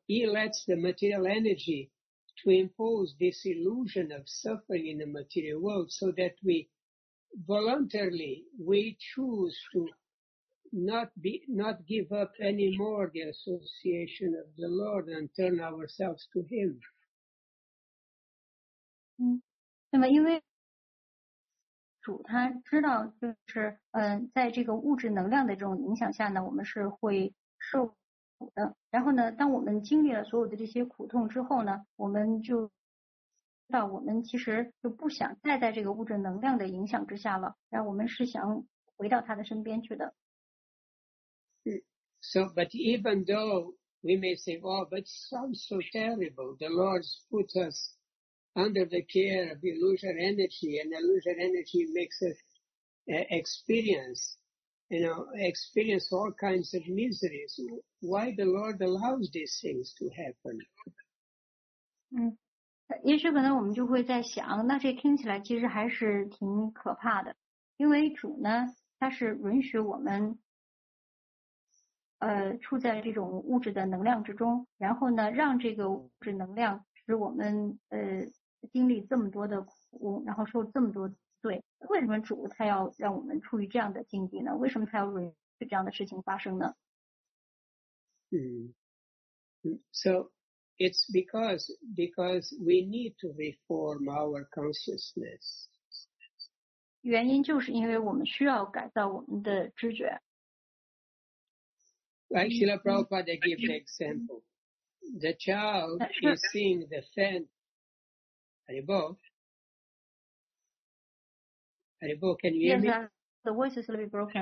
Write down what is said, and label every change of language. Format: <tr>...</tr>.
<en>He lets the material energy to impose this illusion of suffering in the material world so that we voluntarily, we choose to not give up anymore the association of the Lord and turn ourselves to him.</en> <zh>那么因为主他知道，就是在这个物质能量的这种影响下呢，我们是会受苦的。然后呢，当我们经历了所有的这些苦痛之后呢，我们就知道我们其实就不想再在这个物质能量的影响之下了，然后我们是想回到他的身边去的。</zh> <en>So, but even though we may say, "Oh, but it sounds so terrible," the Lord puts us. Under the care of illusion energy, and illusion energy makes us experience all kinds of miseries. Why the Lord allows these things to happen?</en> <zh>也许可能我们就会在想，那这听起来其实还是挺可怕的，因为主呢，他是允许我们处在这种物质的能量之中，然后呢，让这个物质能量使我们经历这么多的苦，然后受这么多罪，为什么主他要让我们处于这样的境地呢？为什么他要允许这样的事情发生呢？</zh> <en>So it's because we need to reform our consciousness.</en> <zh>原因就是因为我们需要改造我们的知觉。</zh> <en>Like Srila Prabhupada gave the example, the child is seeing the fence. Haribo, can you hear yes, me? Yes, the voice is a little bit broken.</en>